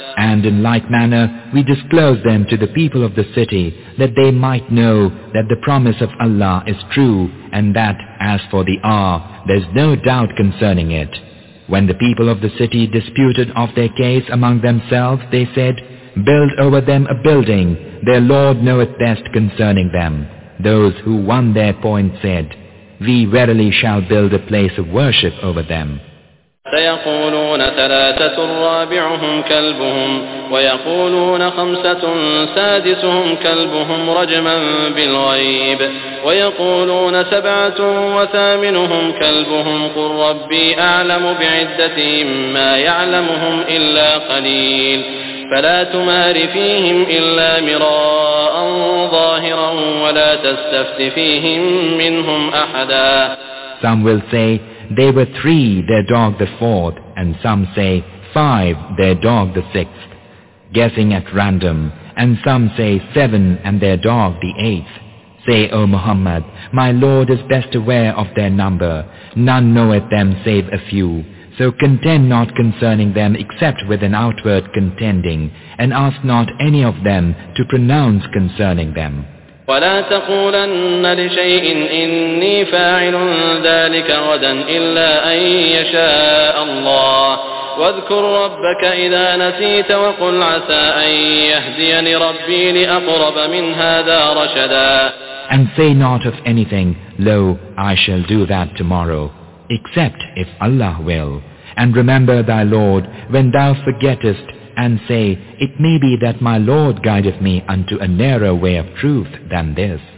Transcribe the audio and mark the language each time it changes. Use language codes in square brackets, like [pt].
[en] And in like manner, we disclose them to the people of the city, that they might know that the promise of Allah is true, and that, as for the hour, there's no doubt concerning it. When the people of the city disputed of their case among themselves, they said, Build over them a building, their Lord knoweth best concerning them. Those who won their point said, We verily shall build a place of worship over them. [ar] سيقولون ثلاثة رابعهم كلبهم ويقولون خمسة سادسهم كلبهم رجما بالغيب ويقولون سبعة وثامنهم كلبهم قل ربي أعلم بعدتهم ما يعلمهم إلا قليل فلا تمار فيهم إلا مراء ظاهرا ولا تستفت فيهم منهم أحدا. [en] Some will say, They were three, their dog the fourth, and some say five, their dog the sixth, guessing at random, and some say seven, and their dog the eighth. Say, O Muhammad, my Lord is best aware of their number. None knoweth them save a few. So contend not concerning them except with an outward contending, and ask not any of them to pronounce concerning them. [ar] ولا تقولن لشيء إني فاعل ذلك غدا إلا أن يشاء الله واذكر ربك إذا نسيت وقل عسى أن يهديني ربي لأقرب من هذا رشدا. [en] And say not of anything, Lo, I shall do that tomorrow, except if Allah will. And remember thy Lord when thou forgettest And say, It may be that my Lord guideth me unto a nearer way of truth than this.